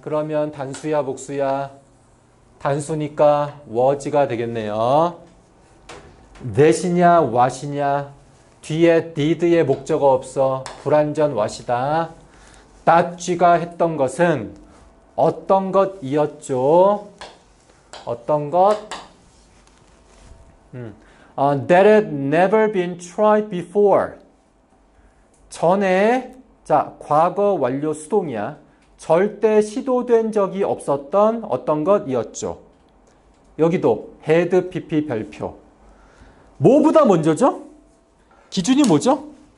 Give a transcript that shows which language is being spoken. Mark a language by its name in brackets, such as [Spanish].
[Korean] 그러면 단수야, 복수야? 단수니까 워즈가 되겠네요. 댓이냐, 왓이냐? 뒤에 디드의 목적어 없어. 불완전 왓이다. 닷쥐가 했던 것은 어떤 것이었죠? 어떤 것? [English] That had never been tried before. [Korean] 전에, 자, 과거 완료 수동이야. 절대 시도된 적이 없었던 어떤 것이었죠. 여기도 head, pp, 별표. 뭐보다 먼저죠? 기준이 뭐죠?